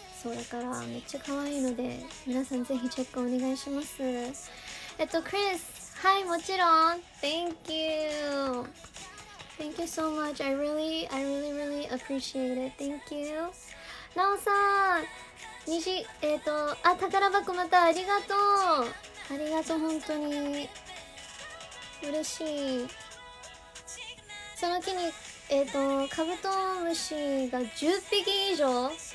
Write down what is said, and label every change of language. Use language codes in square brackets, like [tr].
[ja] そうだからめっちゃ可愛いので、皆さんぜひチェックお願いします。 [en] クリス、 [ja] はい、もちろん、 [en] Thank you、 Thank you so much、 I really appreciate it、 Thank you。 ナオさん、 [ja] 西、あ、宝箱またありがとう。ありがとう、本当に。嬉しい。その木に、カブトムシが10匹以上。